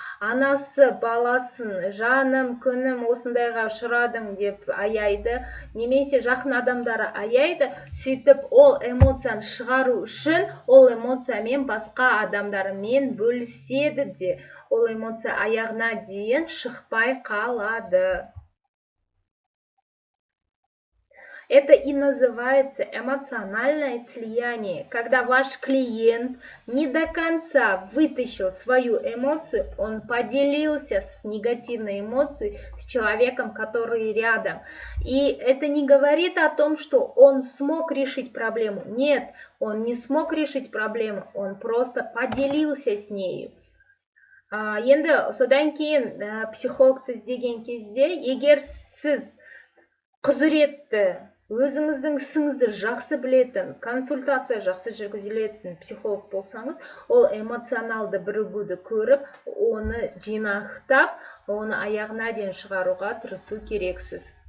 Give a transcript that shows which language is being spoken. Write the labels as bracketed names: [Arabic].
[Kazakh] Анасы баласын, жаным, күнім осындайға ұшырадың деп аяйды. Немесе жақын адамдары аяйды, сөйтіп ол эмоцияны шығару үшін, ол эмоциямен басқа адамдарымен бөліседі де. Ол эмоция аяғына дейін шықпай қалады. [Russian] Это и называется эмоциональное слияние. Когда ваш клиент не до конца вытащил свою эмоцию, он поделился с негативной эмоцией с человеком, который рядом. И это не говорит о том, что он смог решить проблему. Нет, он не смог решить проблему, он просто поделился с нею. [Kazakh] Енді содан кейін психологты іздеген кезде, егер сіз құзыретті, өзіңіздің ісіңізді жақсы білетін, консультация жақсы жүргізілетін психолог болсаңыз, ол эмоционалды бірігуді көріп, оны жинақтап, оны аяғына дейін шығаруға тұрысу керексіз.